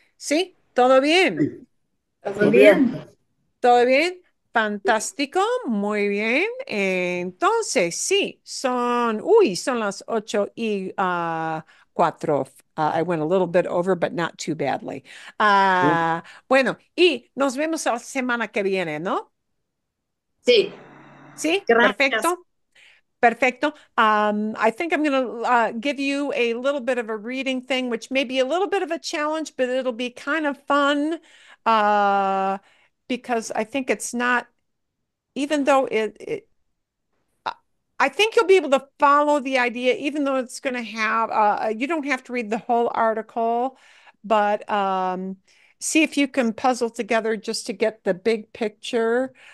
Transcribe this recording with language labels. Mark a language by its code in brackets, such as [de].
[es] ¿Sí? ¿Todo bien? ¿Todo bien? ¿Todo bien? Fantástico, muy bien. Entonces, sí, son las 8 y 4. [en] I went a little bit over, but not too badly. [es] Bueno, y nos vemos la semana que viene, ¿no? Sí. Sí, gracias. Perfecto. Perfecto. [en] I think I'm going to give you a little bit of a reading thing, which may be a little bit of a challenge, but it'll be kind of fun because I think it's not, even though I think you'll be able to follow the idea, even though it's going to have, you don't have to read the whole article, but see if you can puzzle together just to get the big picture.